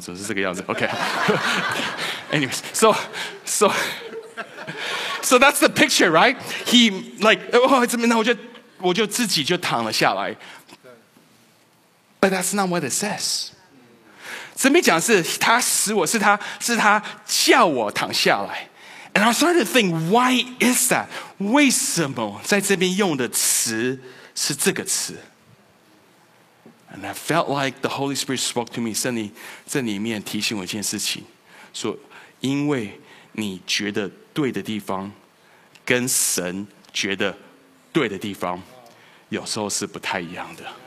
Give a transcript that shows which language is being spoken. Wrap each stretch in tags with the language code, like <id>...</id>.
<zh>总是这个样子。</zh> <en>OK， Anyways， So that's the picture, right? He, like, oh, it's me.</en> <zh>那我就自己就躺了下来。</zh> <en>But that's not what it says.</en> <zh>神没讲是他使我，是他叫我躺下来。</zh> <en>And I started to think, why is that?</en> <zh>为什么在这边用的词是这个词？</zh> <en>And I felt like the Holy Spirit spoke to me,</en> <zh>圣灵在里面提醒我一件事情，说因为你觉得对的地方跟神觉得对的地方有时候是不太一样的。</zh>